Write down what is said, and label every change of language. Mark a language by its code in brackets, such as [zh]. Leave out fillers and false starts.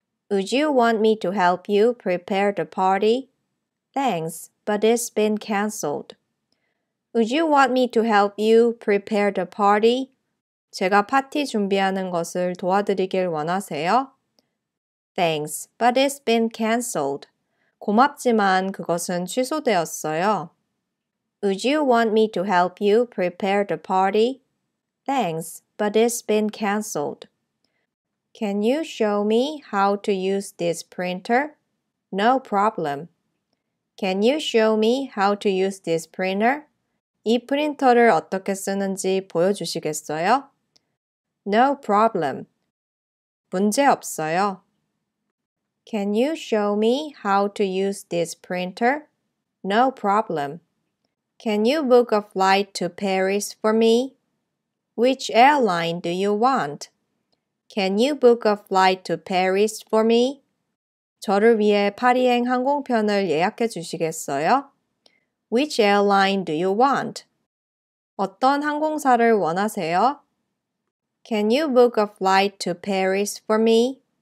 [en] Would you want me to help you prepare the party? Thanks, but it's been cancelled. Would you want me to help you prepare the party? [ko] 제가 파티 준비하는 것을 도와드리길 원하세요? [en] Thanks, but it's been cancelled. [ko] 고맙지만 그것은 취소되었어요. [en] Would you want me to help you prepare the party? Thanks, but it's been cancelled. Can you show me how to use this printer? No problem. Can you show me how to use this printer? [ko] 이 프린터를 어떻게 쓰는지 보여주시겠어요? [en] No problem. [ko] 문제 없어요. [en] Can you show me how to use this printer? No problem. Can you book a flight to Paris for me? Which airline do you want? Can you book a flight to Paris for me? [ko] 저를 위해 파리행 항공편을 예약해 주시겠어요? [en] Which airline do you want? [ko] 어떤 항공사를 원하세요? [en] Can you book a flight to Paris for me?